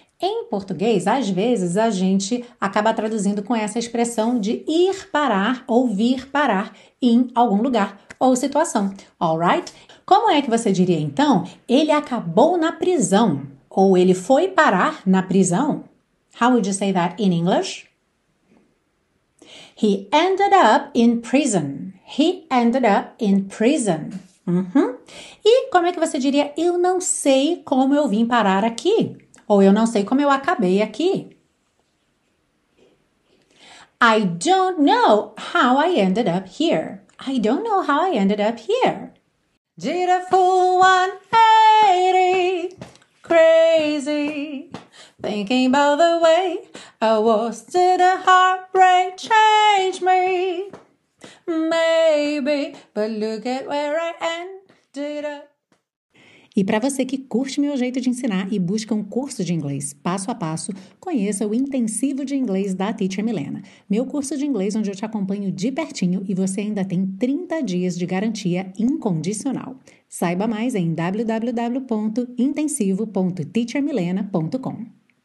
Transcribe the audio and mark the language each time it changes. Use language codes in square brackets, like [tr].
[pt] Em português, às vezes, a gente acaba traduzindo com essa expressão de ir parar ou vir parar em algum lugar ou situação, alright? Como é que você diria, então, ele acabou na prisão? Ou ele foi parar na prisão? [en] How would you say that in English? He ended up in prison. He ended up in prison. [pt] E como é que você diria, eu não sei como eu vim parar aqui? Ou eu não sei como eu acabei aqui? [en] I don't know how I ended up here. I don't know how I ended up here. Did a full 180, crazy, thinking about the way I was, did a heartbreak change me? Maybe, but look at where I ended up. [pt] E para você que curte meu jeito de ensinar e busca um curso de inglês passo a passo, conheça o Intensivo de Inglês da Teacher Milena. Meu curso de inglês onde eu te acompanho de pertinho e você ainda tem 30 dias de garantia incondicional. Saiba mais em www.intensivo.teachermilena.com.